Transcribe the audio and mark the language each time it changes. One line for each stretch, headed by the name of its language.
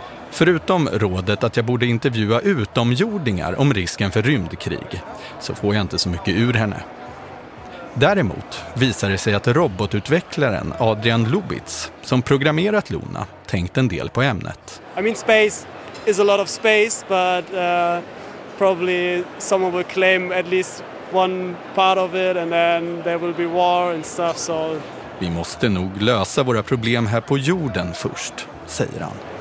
Swedish: Förutom rådet att jag borde intervjua utomjordingar om risken för rymdkrig, så får jag inte så mycket ur henne. Däremot visar det sig att robotutvecklaren Adrian Lubitz, som programmerat Luna, tänkt en del på ämnet.
English: I mean, space is a lot of space, but probably someone will claim at least one part of it, and then there will be war and stuff. So
Swedish: vi måste nog lösa våra problem här på jorden först, säger han.